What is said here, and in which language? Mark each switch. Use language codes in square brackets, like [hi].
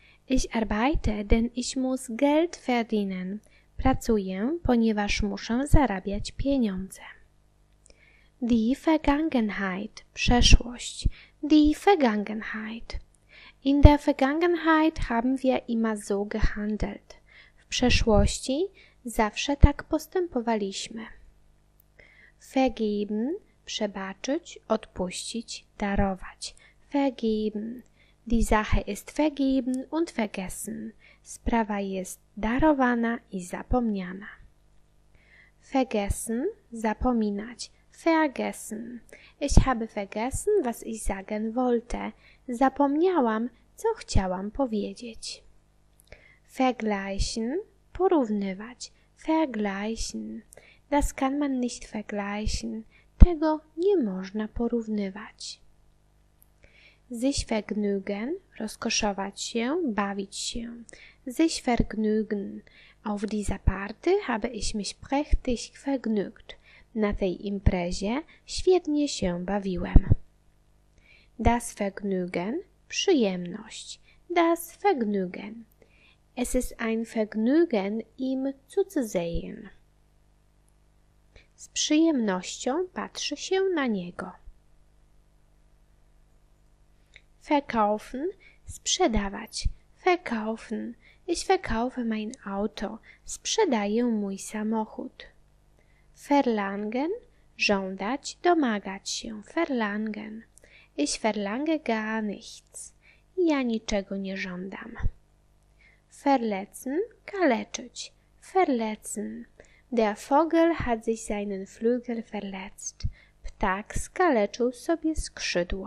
[de] Ich arbeite, denn ich muss Geld verdienen. [pl] Pracuję, ponieważ muszę zarabiać pieniądze. [de] Die Vergangenheit, [pl] przeszłość. [de] Die Vergangenheit. In der Vergangenheit haben wir immer so gehandelt. [pl] W przeszłości zawsze tak postępowaliśmy. [de] Vergeben, [pl] przebaczyć, odpuścić, darować. [de] Vergeben. Die Sache ist vergeben und vergessen. [pl] Sprawa jest darowana i zapomniana. [de] Vergessen, [pl] zapominać. [de] Vergessen. Ich habe vergessen, was ich sagen wollte. [pl] Zapomniałam, co chciałam powiedzieć. [de] Vergleichen, [pl] porównywać. [de] Vergleichen. Das kann man nicht vergleichen. [pl] Tego nie można porównywać. [de] Sich vergnügen, [pl] rozkoszować się, bawić się. [de] Sich vergnügen. Auf dieser Party habe ich mich prächtig vergnügt. [pl] Na tej imprezie świetnie się bawiłem. [de] Das Vergnügen, [pl] przyjemność. [de] Das Vergnügen. Es ist ein Vergnügen, ihm zuzusehen. [pl] Z przyjemnością patrzy się na niego. [de] Verkaufen, [pl] sprzedawać. [de] Verkaufen. Ich verkaufe mein Auto. [pl] Sprzedaję mój samochód. [de] Verlangen, [pl] żądać, domagać się. [de] Verlangen. Ich verlange gar nichts. [pl] Ja niczego nie żądam. [de] Verletzen, [pl] kaleczyć. [de] Verletzen. Der Vogel hat sich seinen Flügel verletzt. [pl] Ptak skaleczył sobie skrzydło.